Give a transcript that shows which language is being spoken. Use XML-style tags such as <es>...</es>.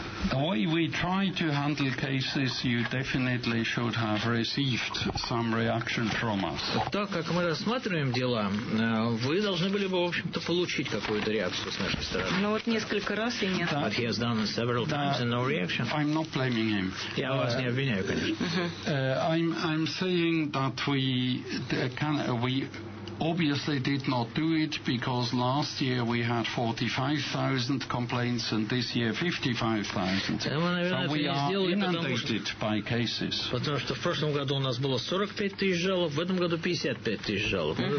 <en>The way we try to handle cases, you definitely should have received some reaction from us.</en> <ru>Так как мы рассматриваем дела, вы должны были бы, в общем-то, получить какую-то реакцию с нашей стороны. Но вот несколько раз и нет.</ru> <en>But he has done it several times and no reaction. I'm not blaming him.</en> <ru>Я вас не обвиняю, конечно.</ru> <en>I'm saying that we can, we obviously did not do it because last year we had 45,000 complaints and this year 55,000. So we are inundated by cases.</en> <ru>Потому что в прошлом году у нас было 45 тысяч жалоб, в этом году 55 тысяч жалоб.</ru>